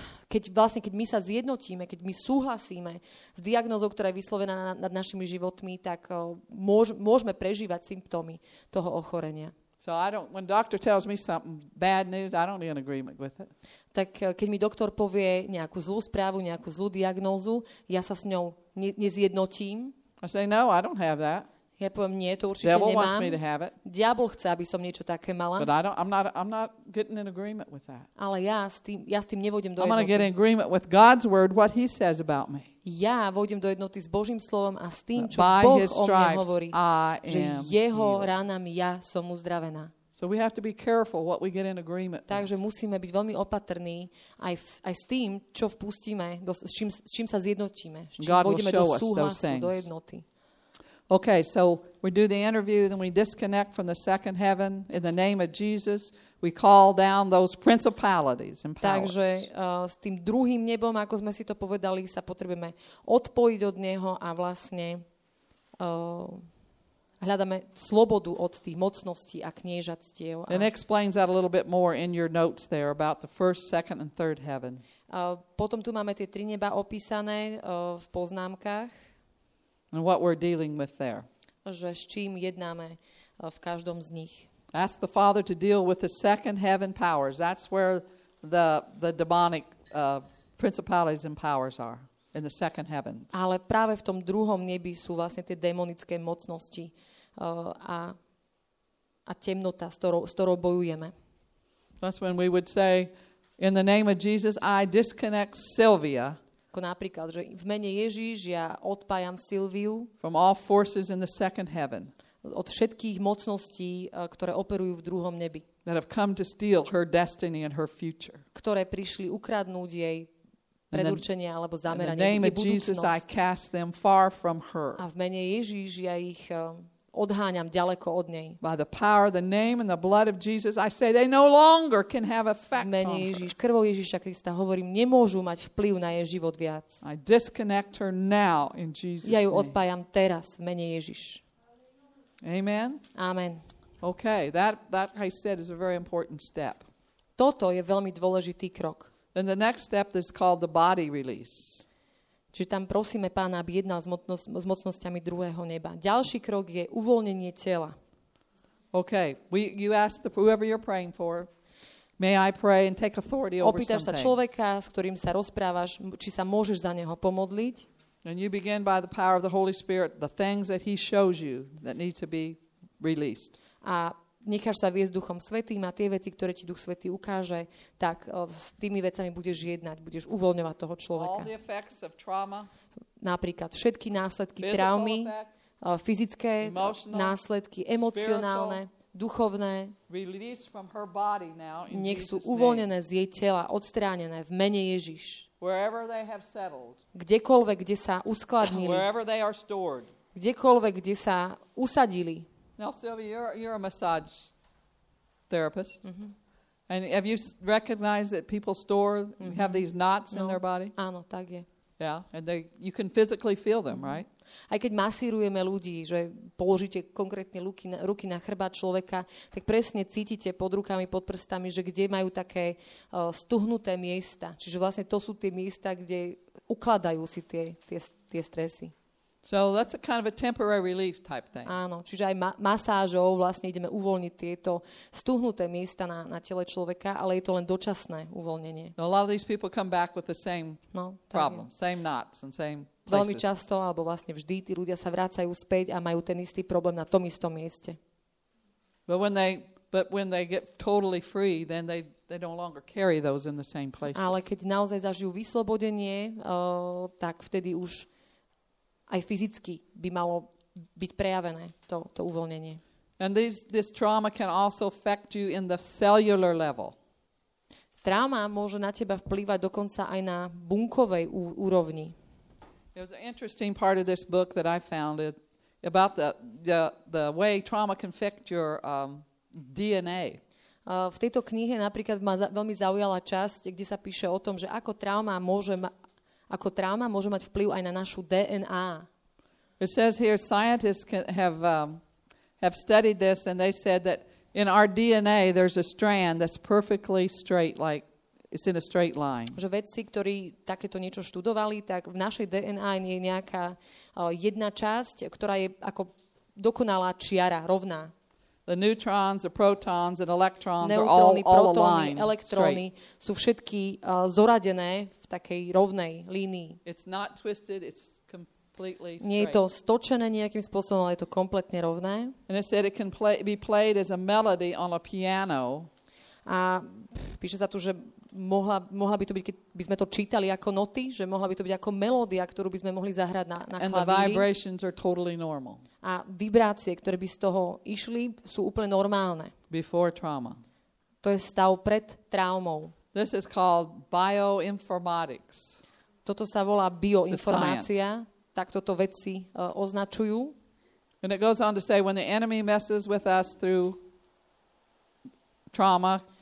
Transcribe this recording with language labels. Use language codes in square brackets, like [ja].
[sk] Keď my sa zjednotíme, keď my súhlasíme s diagnózou, ktorá je vyslovená nad našimi životmi, tak môžeme prežívať symptómy toho ochorenia. [en] So I don't, when doctor tells me something bad news, I don't be in agreement with it. [sk] Tak keď mi doktor povie nejakú zlú správu, nejakú zlú diagnózu, ja sa s ňou nezjednotím. [en] I say, no, I don't have that. [sk] Ja poviem, nie, to určite [en] Devil [sk] nemám. [en] Wants me to have it. [sk] Diabol chce, aby som niečo také mala. [en] But I'm not getting in agreement with that. [sk] Ale ja s tým nevôjdem do [en] I'm going to get in agreement with God's word, what he says about me. [sk] Ja vôjdem do jednoty s Božím slovom a s tým, čo Boh o mne hovorí. Že jeho ranami ja som uzdravená. [en] So we have to be careful what we get in agreement. [sk] Takže musíme byť veľmi opatrní aj s tým, čo vpustíme, s čím sa zjednotíme, s čím vôjdeme do súhlasu, do jednoty. [en] Okay, so we do the interview, then we disconnect from the second heaven in the name of Jesus. We call down those principalities and powers. [sk] Takže s tým druhým nebom, ako sme si to povedali, sa potrebujeme odpojiť od neho a vlastne hľadáme slobodu od tých mocností a kniežatstiev. [en] And explains that a little bit more in your notes there about the first, second and third heaven. [sk] Potom tu máme tie tri neba opísané v poznámkach. [en] And what we're dealing with there. [sk] Že s čím jednáme v každom z nich. [en] Ask the Father to deal with the second heaven powers. That's where the demonic principalities and powers are in the second heavens. [sk] Ale práve v tom druhom nebi sú vlastne tie demonické mocnosti a temnota, s ktorou bojujeme. [en] That's when we would say, in the name of Jesus, I disconnect Sylvia. [sk] Ako napríklad, že v mene Ježíš ja odpájam Sylviu. [en] From all forces in the second heaven. [sk] Od všetkých mocností, ktoré operujú v druhom nebi. [en] That have come to steal her destiny and her future. [sk] Ktoré prišli ukradnúť jej predurčenie alebo zameranie jej budúcnosť. [en] In the name of Jesus, I cast them far from her. [sk] A v mene Ježíš ja ich odháňam ďaleko od nej. [en] By the power of the name and the blood of Jesus, I say they no longer can have effect on her. [sk] V mene Ježíš, krvou Ježíša Krista hovorím, nemôžu mať vplyv na jej život viac. [en] I disconnect her now in Jesus' name. [sk] Ja ju odpájam teraz v mene Ježíš. [en] Amen. [sk] Amen. [en] Okay, that I said is a very important step. [sk] Toto je veľmi dôležitý krok. [en] And the next step is called the body release. [sk] Čiže tam prosíme Pána, aby jednal s mocnosťami druhého neba. Ďalší krok je uvoľnenie tela. [en] Okay, you ask whoever you're praying for, may I pray and take authority over something. [sk] Opýtaš sa človeka, s ktorým sa rozprávaš, či sa môžeš za neho pomodliť. [en] And you begin by the power of the Holy Spirit, the things that he shows you that need to be released. [sk] A necháš sa viesť Duchom Svätým a tie veci, ktoré ti Duch Svätý ukáže, tak s tými vecami budeš jednať, budeš uvoľňovať toho človeka. [en] All the effects of trauma, [sk] napríklad všetky následky traumy, fyzické následky, emocionálne, duchovné, [en] release from her body now in [sk] nech sú uvoľnené z jej tela, odstránené v mene Ježiš. [en] Wherever they have settled, [sk] kdekoľvek, kde sa uskladnili, [en] wherever they are stored, [sk] kdekoľvek, kde sa usadili. [en] Now, Sylvia, you're a massage therapist. Mm-hmm. And have you recognized that people store, mm-hmm. have these knots in their body? [sk] Áno, tak je. [en] Yeah, and you can physically feel them, mm-hmm. right? [sk] Aj keď masírujeme ľudí, že položíte konkrétne ruky na chrbát človeka, tak presne cítite pod rukami, pod prstami, že kde majú také stuhnuté miesta. Čiže vlastne to sú tie miesta, kde ukladajú si tie stresy. [en] So that's a kind of a temporary relief type thing. [sk] Áno, čiže aj masážou vlastne ideme uvoľniť tieto stuhnuté miesta na tele človeka, ale je to len dočasné uvoľnenie. [en] A lot of these people come back with the same problem, same knots and same places. [sk] Veľmi často, alebo vlastne vždy, tí ľudia sa vracajú späť a majú ten istý problém na tom istom mieste. [en] But when they get totally free, then they no longer carry those in the same places. [sk] Ale keď naozaj zažijú vyslobodenie, tak vtedy už aj fyzicky by malo byť prejavené to uvoľnenie. [en] And this trauma can also affect you in the cellular level. [sk] Trauma môže na teba vplývať dokonca aj na bunkovej úrovni. [en] There's an interesting part of this book that I found it about the way trauma can affect your DNA. [sk] V tejto knihe napríklad ma veľmi zaujala časť, kde sa píše o tom, že ako trauma môže ako trauma môže mať vplyv aj na našu DNA. [en] It says here scientists have studied this and they said that in our DNA there's a strand that's perfectly straight, like it's in a straight line. [sk] Že vedci, ktorí takéto niečo študovali, tak v našej DNA je nejaká jedna časť, ktorá je ako dokonalá čiara, rovná. [en] The neutrons, the protons and electrons [sk] neutróny, [en] are all [sk] protóny, [en] aligned. [sk] Elektróny [en] straight. [sk] Sú všetky zoradené v takej rovnej línii. [en] It's not twisted, it's completely straight. [sk] Nie je to stočené nejakým spôsobom, ale je to kompletne rovné. [en] And it said it can be played as a melody on a piano. [sk] A píše sa tu, že mohla by to byť, keď by sme to čítali ako noty, že mohla by to byť ako melódia, ktorú by sme mohli zahrať na klavíri. [en] And the vibrations are totally normal. [sk] A vibrácie, ktoré by z toho išli, sú úplne normálne. [en] Before trauma. [sk] To je stav pred traumou. [en] This is called bioinformatics. [sk] Toto sa volá bioinformácia. Tak toto vedci označujú. [en] And it goes on to say, when the enemy messes with us through trauma,